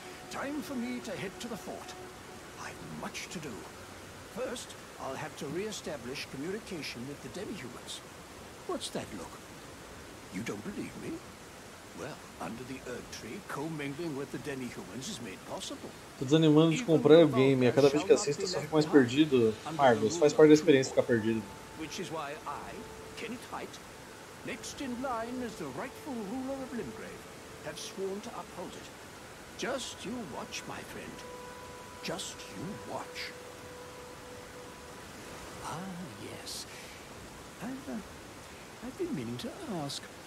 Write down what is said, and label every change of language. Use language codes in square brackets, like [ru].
[en] Time for me to head to the fort. I've much to do. First, I'll have to re-establish communication with the demi-humans. What's that look? You don't believe me? Well, under the earth tree, co-mingling with the Denny humans is made possible. [pt] Tô desanimando de comprar o game, a cada vez que assisto eu só fico mais perdido. Marcos, faz parte da experiência ficar perdido. [en] Which is why I, Kenneth Height, next in line as the rightful ruler of Limgrave, have sworn to uphold it. Just you watch, my friend. Just you watch. Ah, yes. I've been meaning to ask.